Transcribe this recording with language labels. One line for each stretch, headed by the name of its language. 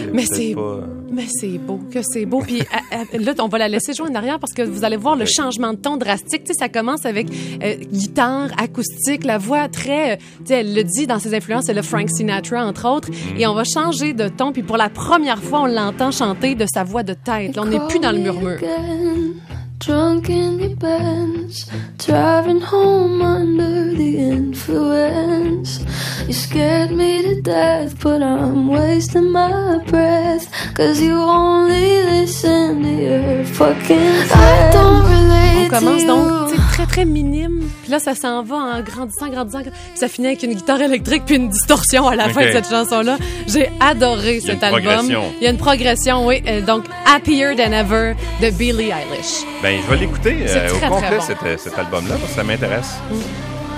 French: Mais c'est beau, que c'est beau. Puis là, on va la laisser jouer en arrière parce que vous allez voir le changement de ton drastique. Tu sais, ça commence avec guitare, acoustique, la voix très... Tu sais, elle le dit dans ses influences, c'est le Frank Sinatra, entre autres. Mm. Et on va changer de ton. Puis pour la première fois, on l'entend chanter de sa voix de tête. Là, on n'est plus dans le murmure.
English: Again, drunk in the Benz, driving home under the influence. You scared me to death, but I'm wasting my breath. 'Cause you only listen to your fucking friends. I don't relate to you.
French: On commence donc très, très minime. Puis là, ça s'en va en grandissant. Puis ça finit avec une guitare électrique puis une distorsion à la fin de cette chanson-là. J'ai adoré cet album. Il y a une progression. Donc, Happier Than Ever de Billie Eilish. Bien, je vais l'écouter au complet, cet album-là, parce que ça m'intéresse. Mm.